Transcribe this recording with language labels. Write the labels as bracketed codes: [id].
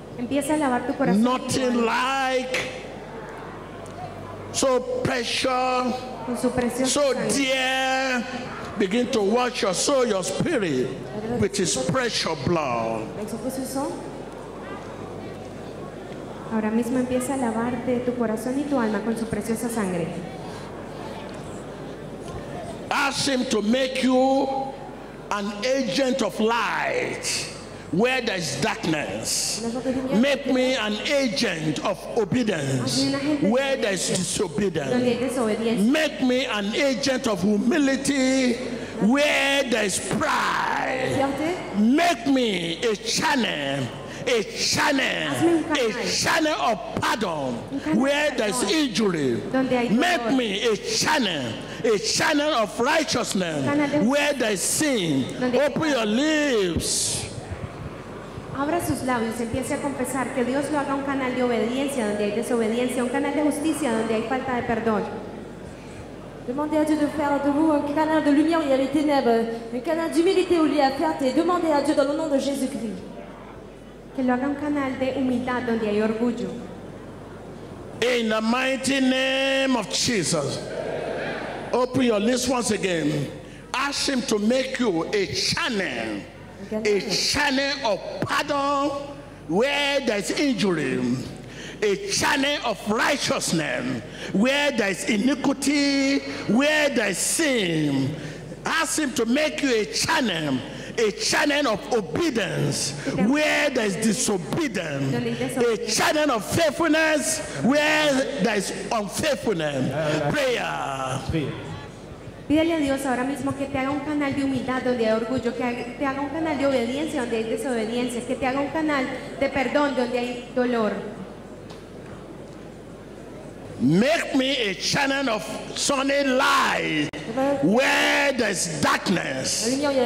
[en] Nothing like so precious, so dear. Begin to wash your soul, your spirit, with his precious blood. [es] Ahora mismo empieza a lavarte tu corazón y tu alma con su preciosa sangre. [en] Ask him to make you an agent of light where there is darkness. Make me an agent of obedience where there is disobedience. Make me an agent of humility where there is pride. Make me a channel of pardon where there is injury. Make me a channel of righteousness where there is sin. Open your lips. [es] Abra sus labios y empiece a confesar que Dios lo haga un canal de obediencia donde hay desobediencia, un canal de justicia donde hay falta de perdón. [fr] Demandez à Dieu de faire de vous un canal de lumière où il y a les ténèbres, un canal d'humilité où il y a fierté. Demandez à Dieu dans le nom de Jésus-Christ que [es] lo haga un canal de humildad donde hay orgullo. [en] In the mighty name of Jesus, open your lips once again. Ask him to make you a channel of pardon where there is injury, a channel of righteousness where there is iniquity, where there is sin. Ask him to make you a channel of obedience where there is disobedience, a channel of faithfulness where there is unfaithfulness. Prayer. [es] Pídele a Dios ahora mismo que te haga un canal de humildad donde hay orgullo, que te haga un canal de obediencia donde hay desobediencia, que te haga un canal de perdón donde hay dolor. [en] Make me a channel of sunny light where there's darkness.